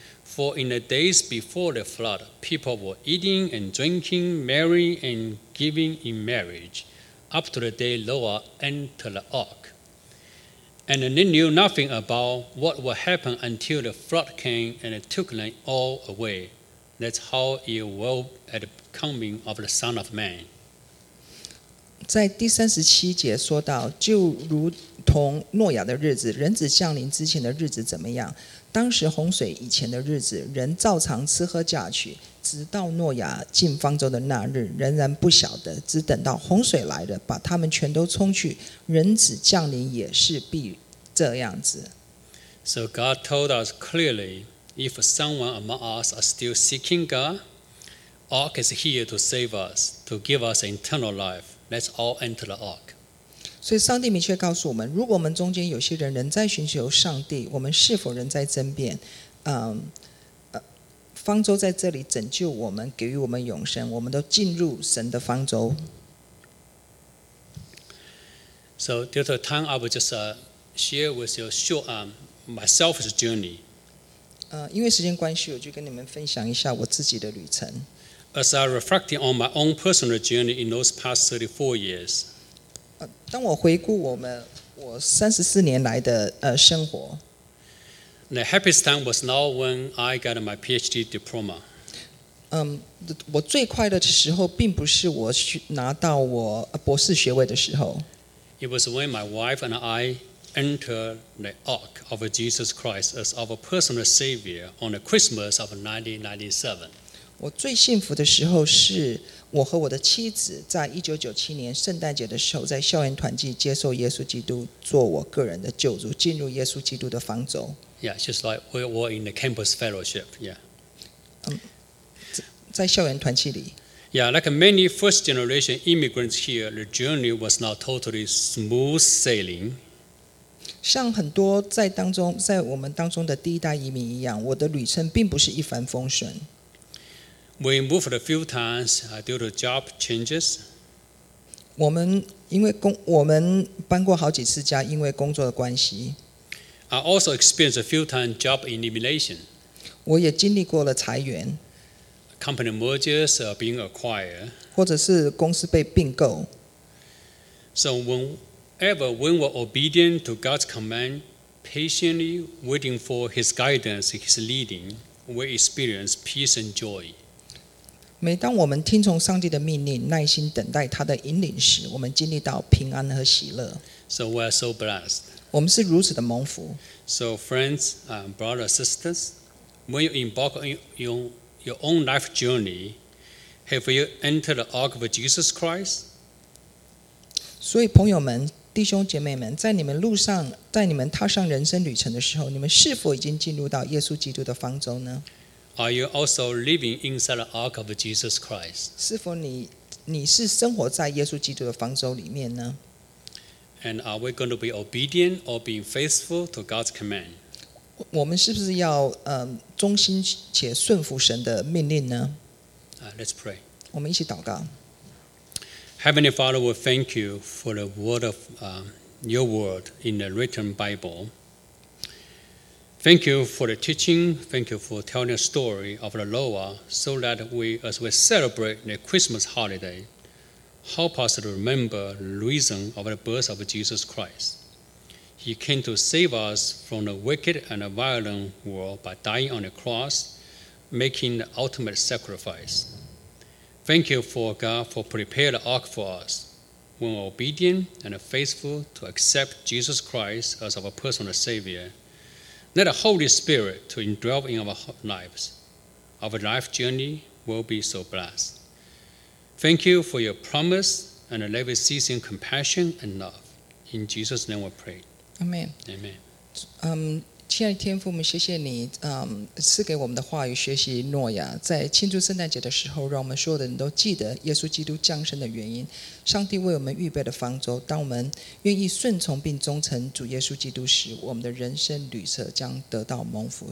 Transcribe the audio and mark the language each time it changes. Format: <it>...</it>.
<en>For in the days before the flood, people were eating and drinking, marrying and giving in marriage, up to the day Noah entered the ark. And they knew nothing about what would happen until the flood came and it took them all away. That's how it will be at the coming of the Son of Man.</en> <zh>在第37节说到，就如同诺亚的日子，人子降临之前的日子怎么样？当时洪水以前的日子，人照常吃喝嫁娶，直到诺亚进方舟的那日，仍然不晓得，只等到洪水来了，把他们全都冲去。人子降临也是必这样子。</zh> <en>So God told us clearly, if someone among us are still seeking God, Ark is here to save us, to give us eternal life. Let's all enter the Ark.</en> <zh>所以上帝明确告诉我们，如果我们中间有些人仍在寻求上帝，我们是否仍在争辩？方舟在这里拯救我们，给予我们永生，我们都进入神的方舟。</zh> <en>So due to time, I will just share with you short my selfish journey.</en> <zh>因为时间关系，我就跟你们分享一下我自己的旅程。</zh> <en>As I reflecting on my own personal journey in those past 34 years.</en> <zh>当我回顾我34年来的生活</zh> <en>，The happiest time was now when I got my PhD diploma.</en> <zh>我最快乐的时候并不是我拿到我博士学位的时候。</zh> <en>It was when my wife and I entered the ark of Jesus Christ as our personal savior on the Christmas of 1997.</en> <zh>我最幸福的时候是我和我的妻子在1997年圣诞节的时候在校园团契接受耶稣基督做我个人的救主，进入耶稣基督的方舟。</zh> <en>Yeah, just like we were in the campus fellowship. Yeah.</en> <zh>在校园团契里。</zh> <en>Yeah, like many first generation immigrants here, the journey was not totally smooth sailing.</en> <zh>像很多在当中，在我们当中的第一代移民一样，我的旅程并不是一帆风顺。</zh> <en>We moved a few times due to job changes.</en> <zh>我们搬过好几次家，因为工作的关系。</zh> <en>I also experienced a few times job elimination.</en> <zh>我也经历过了裁员。</zh> <en>Company mergers are being acquired.</en> <zh>或者是公司被并购。</zh> <en>So whenever we were obedient to God's command, patiently waiting for His guidance, His leading, we experienced peace and joy.</en> <zh>每当我们听从上帝的命令，耐心等待他的引领时，我们经历到平安和喜乐。</zh> <en>So we are so blessed.</en> <zh>我们是如此的蒙福。</zh> <en>So friends, brothers, sisters, when you embark on your own life journey, have you entered the ark of Jesus Christ?</en> <zh>所以朋友们、弟兄姐妹们，在你们路上，在你们踏上人生旅程的时候，你们是否已经进入到耶稣基督的方舟呢？</zh> <en>Are you also living inside the ark of Jesus Christ?</en> <zh>是否你是生活在耶稣基督的方舟里面呢？</zh> <en>And are we going to be obedient or being faithful to God's command?</en> <zh>我们是不是要忠心且顺服神的命令呢？</zh> <en>Let's pray.</en> <zh>我们一起祷告。</zh> <en>Heavenly Father, we thank you for the word of your word in the written Bible. Thank you for the teaching. Thank you for telling the story of the Noah so that we, as we celebrate the Christmas holiday, help us to remember the reason of the birth of Jesus Christ. He came to save us from the wicked and the violent world by dying on the cross, making the ultimate sacrifice. Thank you for God for preparing the ark for us. When we are obedient and faithful to accept Jesus Christ as our personal Savior,Let the Holy Spirit to indwell in our lives. Our life journey will be so blessed. Thank you for your promise and never ceasing compassion and love. In Jesus' name we pray. Amen. Amen.</en> <zh>亲爱的天父，我们谢谢你，赐给我们的话语，学习诺亚，在庆祝圣诞节的时候，让我们所有的人都记得耶稣基督降生的原因，上帝为我们预备的方舟。当我们愿意顺从并忠诚主耶稣基督时，我们的人生旅程将得到蒙福。</zh>